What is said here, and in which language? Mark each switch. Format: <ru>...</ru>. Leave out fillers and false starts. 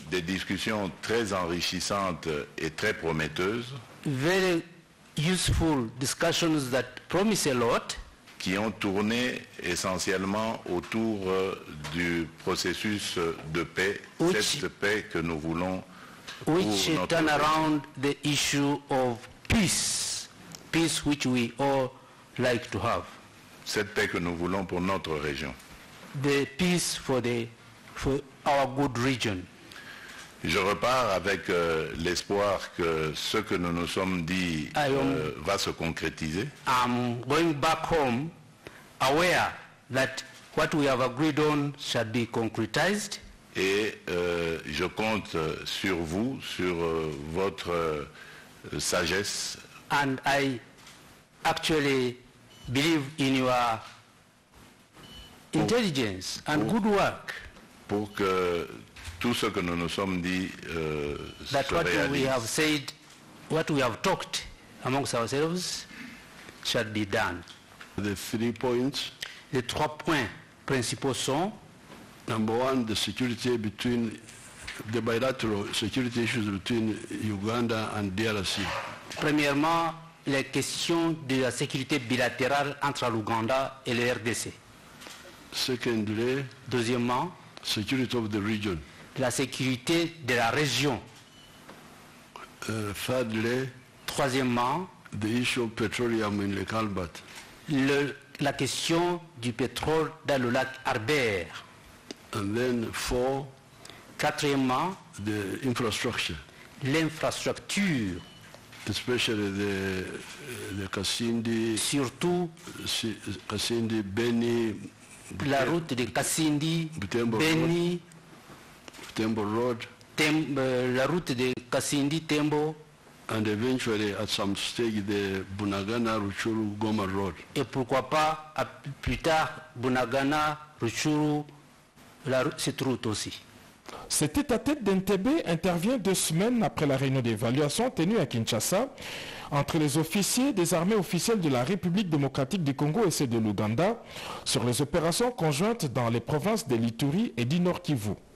<fr>des discussions très enrichissantes et très prometteuses,</fr> <en>very useful discussions that promise a lot,</en> <fr>qui ont tourné essentiellement autour du processus de paix, cette paix que nous voulons pour notre pays.</fr> <en>Which turn around the issue of peace which we all like to have.</en> <fr>Cette paix que nous voulons pour notre région.</fr> <en>The peace for the for our good region.</en> <fr>Je repars avec l'espoir que ce que nous nous sommes dit va se concrétiser.</fr> <en>I'm going back home aware that what we have agreed on shall be concretized.</en> <fr>Et je compte sur vous, sur votre sagesse.</fr> <en>And I actually believe in your intelligence and good work.</en> <fr>Pour que tout ce que nous nous sommes dit</fr> <en>that</en> <fr>se réalise.</fr> <en>That what we have said, what we have talked amongst ourselves, shall be done. The three points.</en> <fr>Les trois points principaux sont.</fr> <en>Number one, the security between the bilateral security issues between Uganda and DRC.</en> <fr>Premièrement, les questions de la sécurité bilatérale entre l'Ouganda et le RDC.</fr> <en>Secondly.</en> <fr>Deuxièmement.</fr> <en>Security of the region.</en> <fr>La sécurité de la région.</fr> <en>Thirdly,</en> <fr>troisièmement,</fr> <en>the issue of petroleum in Lake Albert.</en> <fr>La question du pétrole dans le lac Albert.</fr> <en>And then four,</en> <fr>quatrièmement,</fr> <en>the infrastructure.</en> <fr>L'infrastructure.</fr> <en>Especially the Kasindi.</en> <fr>Surtout Kasindi Beni. La route de Kasindi, Butembo Beni,</fr> <en>Road. Butembo Road.</en> <fr>La route de Kasindi, Tembo,</fr> <en>and eventually at some stage the Bunagana Rutshuru Goma Road.</en> <fr>Et pourquoi pas plus tard Bunagana Rutshuru, cette route aussi. Cet état-tête d'Entebbe intervient deux semaines après la réunion d'évaluation tenue à Kinshasa entre les officiers des armées officielles de la République démocratique du Congo et celle de l'Ouganda sur les opérations conjointes dans les provinces de l'Ituri et du Nord-Kivu.</fr>